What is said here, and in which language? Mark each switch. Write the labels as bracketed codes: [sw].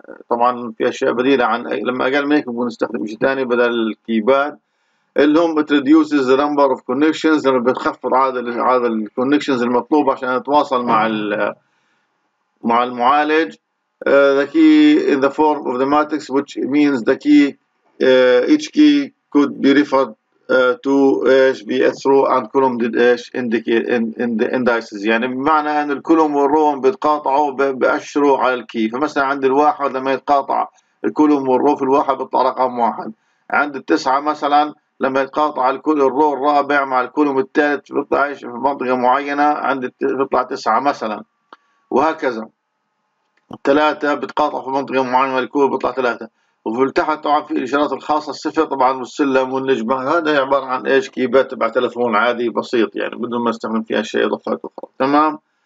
[ar] طبعا في اشياء بديله عن لما اقل من هيك بنستخدم شيء ثاني بدل الكيباد، اللي هم [en] تريديوسز number of connections, [ar] لما بتخفض عدد الكونكشنز المطلوبه عشان نتواصل مع المعالج. [en] The key in the form of the matrix which means the key each key could be referred to ايش be a row and column did ايش indicate in the indices، [ar] يعني بمعنى ان الكولوم والرو بيتقاطعوا بأشروا على الكي. فمثلا عند الواحد لما يتقاطع الكولوم والرو في الواحد بيطلع رقم واحد، عند التسعة مثلا لما يتقاطع الرو الرابع مع الكولوم الثالث بيطلع ايش في منطقة معينة، عند بيطلع تسعة مثلا، وهكذا. ثلاثة بتقاطع في منطقة معينة الكوب بيطلع ثلاثة، وفي تحت طبعا في الإشارات الخاصة الصفر طبعا والسلم والنجمة، هذا عبارة عن ايش كيبات تبع تلفون عادي بسيط، يعني بدون ما استخدم فيها شيء إضافات أخرى، تمام.